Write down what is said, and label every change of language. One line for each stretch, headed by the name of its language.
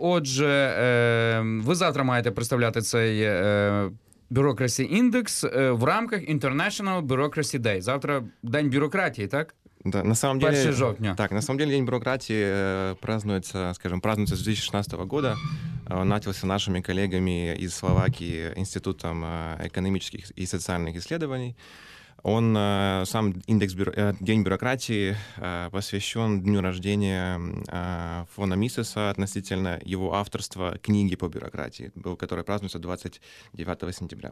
Ukrainian: Отже, ви завтра маєте представляти цей Bureaucracy Index в рамках International Bureaucracy Day. Завтра день бюрократії, так?
Russian: Да, на самом деле,
Ukrainian: 1 жовтня.
Russian: Так, на самом деле день бюрократії празднується, скажем, празднується з 2016 года. Начался нашими коллегами из Словакии Институтом экономических и социальных исследований. Он сам индекс день бюрократии посвящен дню рождения фона Мисеса относительно его авторства книги по бюрократии, которая празднуется 29 сентября.